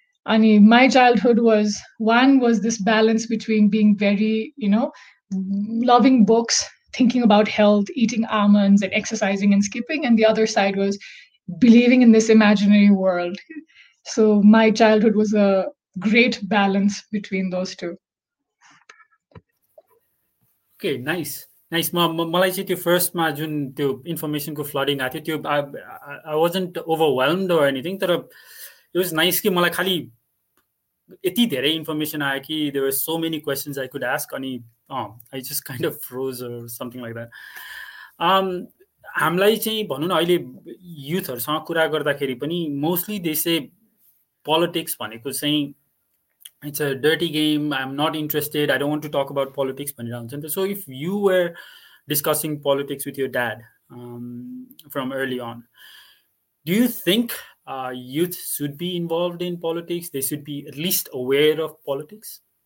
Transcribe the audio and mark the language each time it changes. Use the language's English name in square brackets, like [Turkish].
[English] Ani my childhood was this balance between being very, you know, loving books, thinking about health, eating almonds and exercising and skipping. And the other side was believing in this imaginary world. So my childhood was a great balance between those two. Okay, nice. [Nepali] मलाई चाहिँ त्यो फर्स्टमा जुन त्यो इन्फर्मेसनको flooding आएको थियो त्यो [English] I wasn't overwhelmed or anything [Nepali] तर [English] it was nice [Nepali] कि मलाई खालि यति धेरै इन्फर्मेसन आयो कि [English] there were so many questions I could ask [Nepali] अनि [English] I just kind of froze or something like that [Nepali] हामीलाई चाहिँ भनौँ न अहिले युथहरूसँग कुरा गर्दाखेरि पनि मोस्टली देशै पोलिटिक्स भनेको चाहिँ [English] It's a dirty game. I'm not interested. I don't want to talk about politics. So if you were discussing politics with your dad from early on, do you think youth should be involved in politics? They should be at least aware of politics?